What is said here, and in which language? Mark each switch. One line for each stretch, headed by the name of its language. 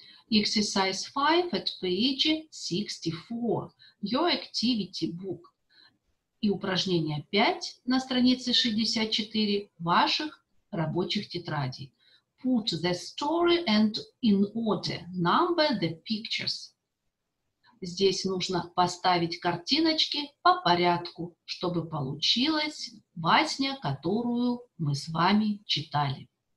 English: Exercise 5 at page 64, your activity book.
Russian: И упражнение 5 на странице 64 ваших рабочих тетрадей.
English: Put the story and in order, number the pictures.
Russian: Здесь нужно поставить картиночки по порядку, чтобы получилась басня, которую мы с вами читали.